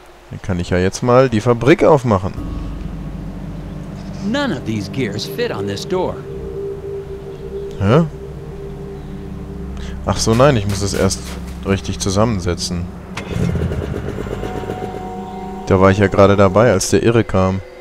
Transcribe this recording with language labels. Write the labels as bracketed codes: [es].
[de] Dann kann ich ja jetzt mal die Fabrik aufmachen. [en] None of these gears fit on this door. Hä? [de] Ach so, nein, ich muss es erst richtig zusammensetzen. Da war ich ja gerade dabei, als der Irre kam.